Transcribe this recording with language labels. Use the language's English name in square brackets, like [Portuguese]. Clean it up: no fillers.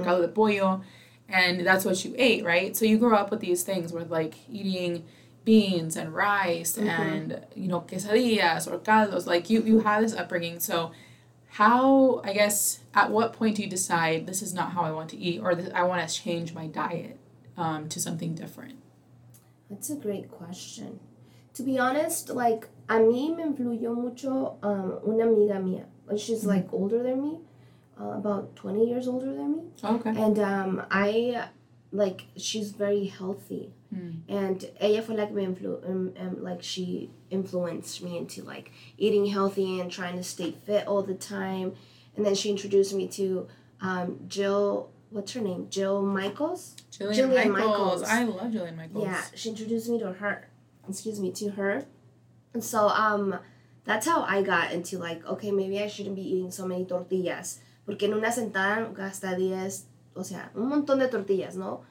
[English] or caldo de pollo, and that's what you ate, right? So you grew up with these things with, like, eating beans and rice mm-hmm. and, you know, quesadillas or caldos. Like, you have this upbringing, so... How, I guess, at what point do you decide this is not how I want to eat or this, I want to change my diet to something different? That's a great question. To be honest, like, [Spanish] a mí me influyó mucho una amiga mía. [English] She's, mm-hmm. like, older than me, about 20 years older than me. Okay. And I, like, she's very healthy. Mm-hmm. [Spanish] And ella fue la que me influyó, [English] like, she... influenced me into like eating healthy and trying to stay fit all the time. And then she introduced me to Jillian Michaels. I love Jillian Michaels. Yeah, she introduced me to her. And so that's how I got into like, okay, maybe I shouldn't be eating so many tortillas. [Spanish] Porque en una sentada gasta 10, o sea, un montón de tortillas, ¿no?